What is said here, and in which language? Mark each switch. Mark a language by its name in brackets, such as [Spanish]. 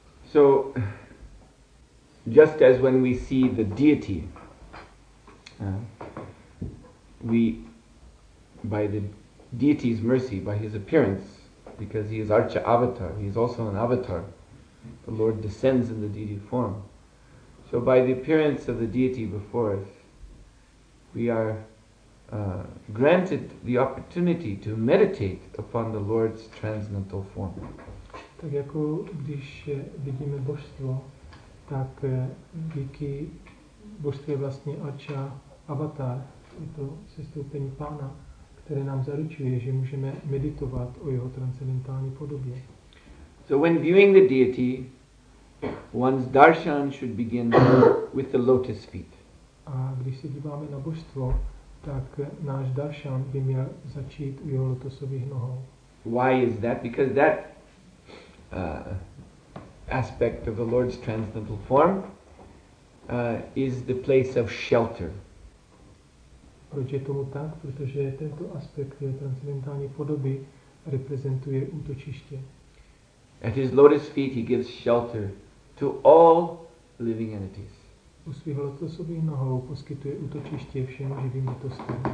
[English] So, just as when we see the deity, we, by the deity's mercy, by his appearance, because he is Archa Avatar, he is also an avatar, the Lord descends in the deity form. So by the appearance of the deity before us, we are granted the opportunity to meditate upon the Lord's transcendental form. [Czech] Tak jako když vidíme božstvo, tak díky božstvu je vlastně Archa Avatar, je to sestoupení pána, které nám zaručuje, že můžeme meditovat o jeho transcendentální podobě. [English] So when viewing the deity, one's darshan should begin with the lotus feet. [Czech] A když se díváme na božstvo, tak náš darshan by měl začít u jeho lotosových nohou. [English] Why is that? Because that aspect of the Lord's transcendental form is the place of shelter. [Czech] Proč je tomu tak? Protože tento aspekt je transcendentální podoby reprezentuje útočiště. [English] At his lotus feet he gives shelter to all living entities. [Czech] U svých lotosových nohou poskytuje útočiště všem živým bytostem.